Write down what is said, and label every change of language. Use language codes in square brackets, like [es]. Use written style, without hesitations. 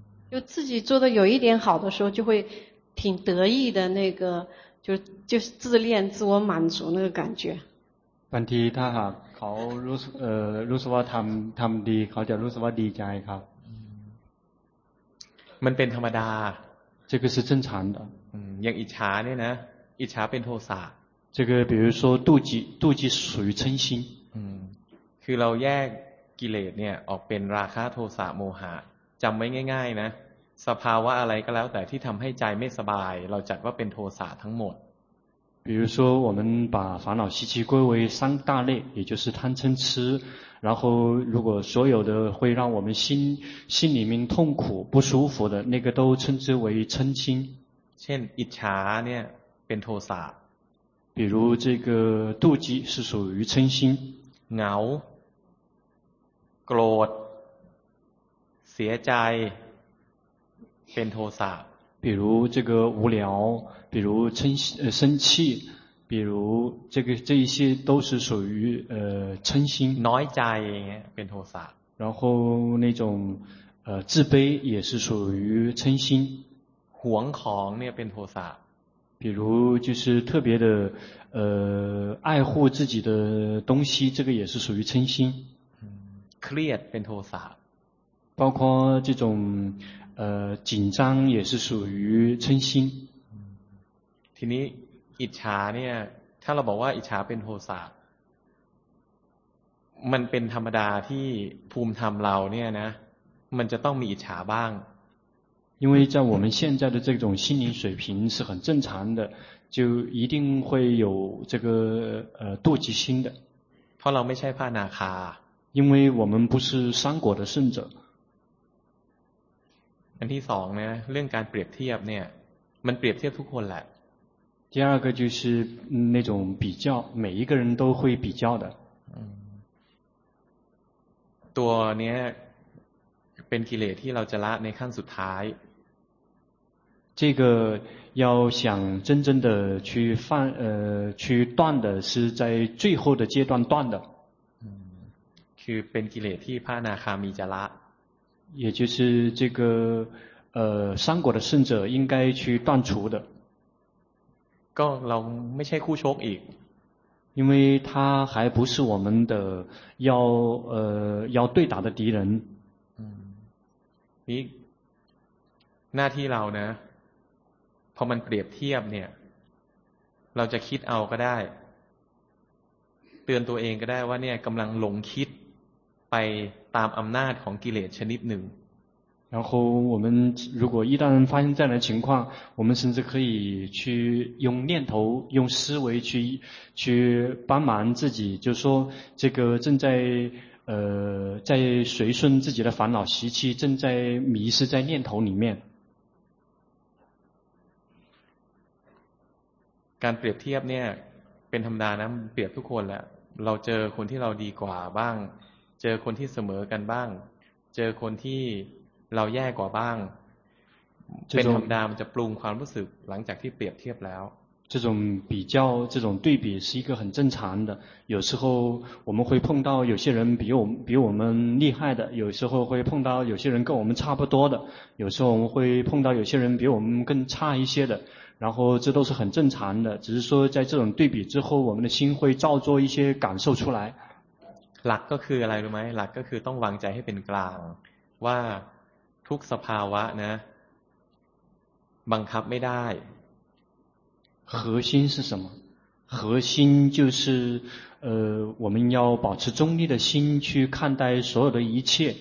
[zh] 就自己做的有一点好的时候就会挺得意的那个就是自恋自我满足那个感觉。 [th] บางทีถ้าหากเขารู้สึกว่าทำดีเขาจะรู้สึกว่าดีใจครับ มันเป็นธรรมดา [zh] 这个是正常的 [th] อย่างอิจฉาเนี่ยนะอิจฉาเป็นโทสะ [zh] 这个比如说妒忌属于嗔心 [th] คือเราแยกกิเลสเนี่ยออกเป็นราคะโทสะโมหะจำไว้ง่ายๆนะสภาวะอะไรก็แล้วแต่ที่ทำให้ใจไม่สบายเราจัดว่าเป็นโทสะทั้งหมด [zh] 比如说我们把烦恼习气归为三大类也就是贪嗔痴然后如果所有的会让我们心里面痛苦不舒服的那个都称之为嗔心 [th] เช่นอิจฉาเนี่ยเป็นโทสะ [zh] 比如这个妒忌是属于嗔心 [th] เหงาโกรธเสียใจเป็นโทสะ [zh] 比如这个无聊比如生气比如这一些都是属于嗔心 [th] น้อยใจเงี้ยเป็นโทสะ [zh] 然后那种自卑也是属于嗔心 [th] หวงของเนี่ยเป็นโทสะ [zh] 比如就是特别的爱护自己的东西这个也是属于嗔心 [th] เครียดเป็นโทสะ [zh] 包括这种紧张也是属于嗔心 [th] ทีนี้อิจฉาเนี่ยถ้าเราบอกว่าอิจฉาเป็นโทสะมันเป็นธรรมดาที่ภูมิธรรมเราเนี่ยนะมันจะต้องมีอิจฉาบ้าง [zh] 因为在我们现在的这种心灵水平是很正常的就一定会有这个妒忌心的 [th] เพราะเราไม่ใช่พระอนาคา [zh] 因为我们不是三果的圣者 [th] อันที่สองนะเรื่องการเปรียบเทียบเนี่ยมันเปรียบเทียบทุกคนแหละ [zh] 第二个就是那种比较每一个人都会比较的 [th] ตัวเนี้ยเป็นกิเลสที่เราจะละในขั้นสุดท้าย [zh] 这个要想真正的去放去断的是在最后的阶段断的 [th] คือเป็นกิเลสที่พระอนาคามีจะละ [zh] 也就是这个三果的圣者应该去断除的 [th] ก็เราไม่ใช่คู่ชกอีก [zh] 因为他还不是我们的要对打的敌人 [th] นี่หน้าที่เรานะพอมันเปรียบเทียบเนี่ยเราจะคิดเอาก็ได้เตือนตัวเองก็ได้ว่าเนี่ยกำลังหลงคิดไปตามอำนาจของกิเลสชนิดหนึ่ง [zh] 然后我们如果一旦发现这样的情况，我们甚至可以去用念头、用思维去帮忙自己，就是说这个正在在随顺自己的烦恼习气，正在迷失在念头里面。 [th] การเปรียบเทียบเนี่ยเป็นธรรมดานะเปรียบทุกคนแหละเราเจอคนที่เราดีกว่าบ้างเจอคนที่เสมอกันบ้างเจอคนที่เราแย่กว่าบ้างเป็นธรรมดามันจะปรุงความรู้สึกหลังจากที่เปรียบเทียบแล้ว [zh] 这种比较这种对比是一个很正常的有时候我们会碰到有些人比我们厉害的有时候会碰到有些人跟我们差不多的有时候我们会碰到有些人比我们更差一些的然后这都是很正常的只是说在这种对比之后我们的心会造作一些感受出来 [th] หลักก็คืออะไรรู้ไหมหลักก็คือต้องวางใจให้เป็นกลางว่าทุกสภาวะนะบังคับไม่ได้ [zh] 核心是什么核心就是我们要保持中立的心去看待所有的一切